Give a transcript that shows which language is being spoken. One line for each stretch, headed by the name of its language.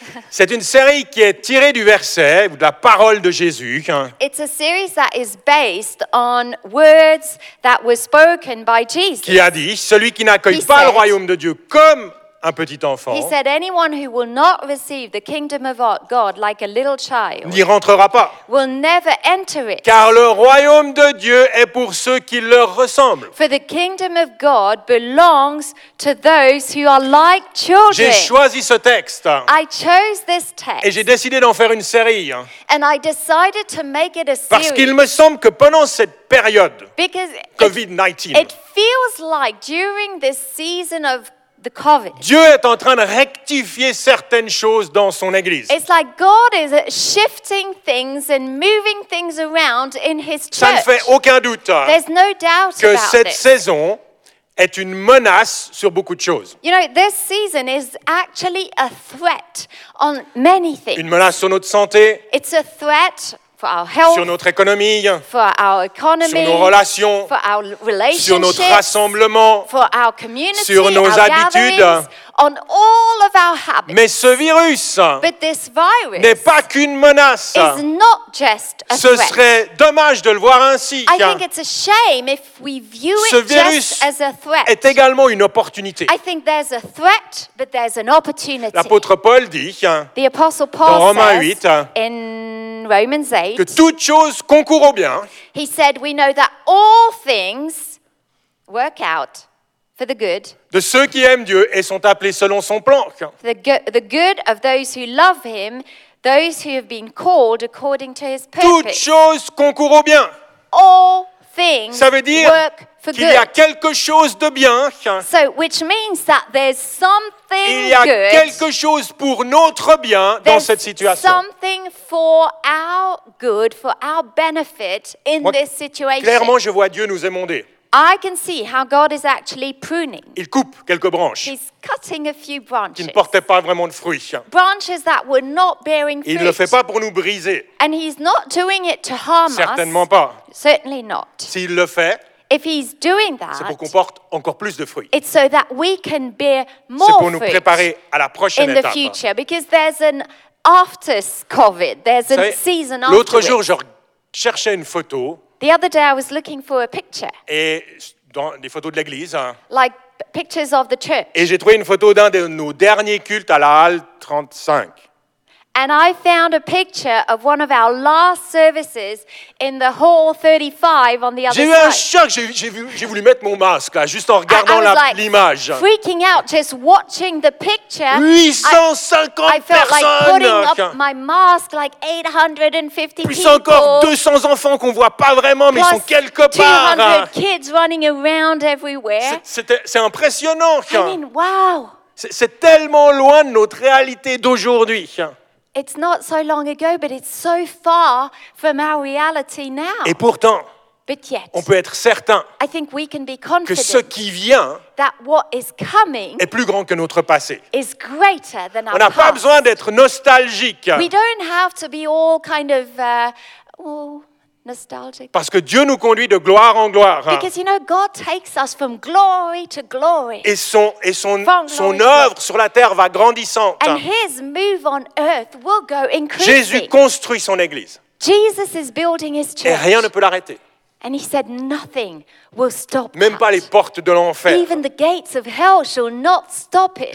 French: C'est une série qui est tirée du verset, ou de la parole de Jésus.
English: It's a series that is based on words that were spoken by Jesus.
French: Qui a dit « Celui qui n'accueille pas le royaume de Dieu comme un petit enfant.
English: He said anyone who will not receive the kingdom of God like a little child
French: n'y rentrera pas.
English: Will never enter it.
French: Car le royaume de Dieu est pour ceux qui leur ressemblent.
English: For the kingdom of God belongs to those who are like children.
French: J'ai choisi ce texte.
English: I chose this text.
French: Et j'ai décidé d'en faire une série.
English: And I decided to make it a series.
French: Parce qu'il me semble que pendant cette période
English: Because COVID-19 it feels like during this season of the COVID.
French: Dieu est en train de rectifier certaines choses dans son église.
English: It's like God is shifting things and moving things around in his church.
French: Ça ne fait aucun doute.
English: There's no doubt
French: que
English: about
French: cette
English: this.
French: Saison est une menace sur beaucoup de choses.
English: You know, this season is actually a threat on many things.
French: Une menace sur notre santé.
English: It's a threat for our health,
French: sur notre économie,
English: for our economy,
French: sur nos relations,
English: for our relationships,
French: sur notre rassemblement,
English: for our community,
French: sur nos
English: our
French: habitudes,
English: on all of our habits.
French: Mais ce virus,
English: but this virus
French: n'est pas qu'une menace.
English: Is not just a threat.
French: Ce serait dommage de le voir ainsi.
English: I think it's a shame if we view it just as a threat.
French: Est également une opportunité.
English: I think there's a threat, but there's an opportunity.
French: L'apôtre Paul dit,
English: the Apostle Paul
French: dans Romains 8,
English: in Romans 8,
French: que toutes choses concourent au bien.
English: He said, we know that all things work out for the good.
French: De ceux qui aiment Dieu et sont appelés selon son plan.
English: The good of those who love him, those who have been called according to his purpose.
French: Toutes choses concourent au bien.
English: All things work for good.
French: Ça veut dire qu'il y a quelque chose de bien.
English: So, which means that there's something good.
French: Il y a quelque chose pour notre bien dans cette situation.
English: Something for our good, for our benefit in this situation.
French: Clairement, je vois Dieu nous émonder.
English: I can see how God is actually pruning.
French: Il coupe quelques branches.
English: He's cutting a few branches.
French: Qui ne portaient pas vraiment de fruits.
English: Branches that were not bearing fruit.
French: Il ne le fait pas pour nous briser.
English: And he's not doing it to harm us.
French: Certainement pas.
English: Certainly not.
French: S'il le fait,
English: if he's doing that,
French: c'est pour qu'on porte encore plus de fruits.
English: It's so that we can bear more fruit.
French: C'est pour nous préparer à la prochaine étape.
English: In the future, because there's an after COVID, there's a season after.
French: L'autre jour, je cherchais une photo.
English: The other day, I was looking for a picture.
French: Et dans des photos de l'église.
English: Like pictures of the church.
French: Et j'ai trouvé une photo d'un de nos derniers cultes à la halle 35.
English: And I found a picture of one of our last services in the hall 35 on the other side.
French: J'ai eu un choc. J'ai voulu mettre mon masque là, juste en regardant l'image.
English: Freaking out, just watching the picture.
French: 850 personnes.
English: I felt like putting up my mask, like 850 plus people.
French: Plus encore 200 enfants qu'on voit pas vraiment, mais ils sont quelque part.
English: 200 kids running around everywhere.
French: C'est impressionnant.
English: I mean, wow.
French: C'est tellement loin de notre réalité d'aujourd'hui.
English: It's not so long ago, but it's so far from our reality now.
French: Et pourtant,
English: but yet,
French: on peut être certain
English: I think we can be confident
French: que ce qui vient
English: that what is coming
French: est plus grand que notre passé.
English: Is greater than
French: on n'a pas besoin d'être nostalgique.
English: We don't have to be all kind of nostalgic.
French: Parce que Dieu nous conduit de gloire en gloire.
English: Because you know, God takes us from glory to glory.
French: Et son œuvre sur la terre va grandissante.
English: And his move on earth will go increasing.
French: Jésus construit son église.
English: Jesus is building his church.
French: Et rien ne peut l'arrêter.
English: And he said nothing will stop.
French: Même pas les portes de l'enfer.
English: Even the gates of hell shall not stop it.